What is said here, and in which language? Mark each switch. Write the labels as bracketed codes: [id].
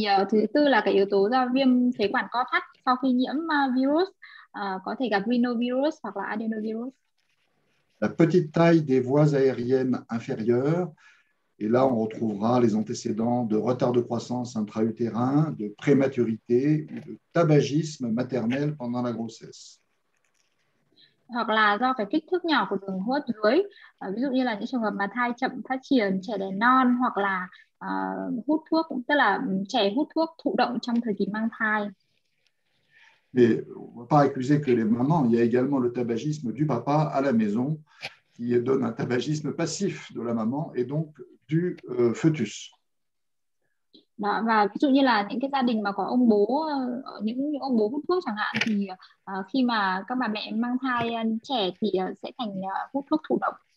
[vi] Thứ tư là cái yếu tố do viêm phế quản co thắt sau khi nhiễm virus. Có thể gặp rhinovirus hoặc là adenovirus. [fr] La petite taille des voies aériennes inférieures, et là on retrouvera les antécédents de retard de croissance intra-utérin, de prématurité ou de tabagisme maternel pendant la grossesse. [vi] Hoặc là do cái kích thước nhỏ của đường hô hấp dưới, ví dụ như là những trường hợp mà thai chậm phát triển, trẻ đẻ non, hoặc là hút thuốc, tức là trẻ hút thuốc thụ động trong thời kỳ mang thai. [fr] Mais on ne va pas accuser que les mamans. Il y a également le tabagisme du papa à la maison qui donne un tabagisme passif de la maman et donc du fœtus. [vi] Đó, và ví dụ như là những cái gia đình mà có ông bố, những ông bố hút thuốc chẳng hạn, thì khi mà các bà mẹ mang thai trẻ thì sẽ thành hút thuốc thụ động.